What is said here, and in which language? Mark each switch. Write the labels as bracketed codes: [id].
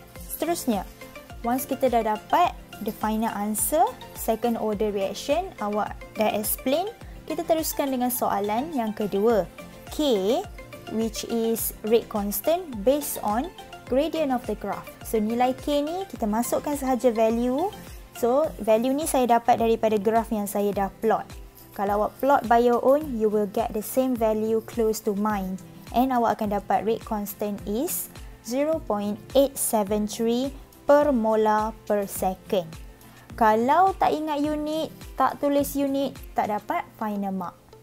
[ms] Seterusnya, once kita dah dapat [en] the final answer, second order reaction, [ms] awak dah explain, kita teruskan dengan soalan yang kedua. [en] K, which is rate constant based on gradient of the graph. [ms] So nilai K ni, kita masukkan sahaja value. So value ni saya dapat daripada graph yang saya dah plot. Kalau awak plot [en] by your own, you will get the same value close to mine. And [ms] awak akan dapat [en] rate constant is 0.873 per molar per second. [ms] Kalau tak ingat unit, tak tulis unit, tak dapat final mark.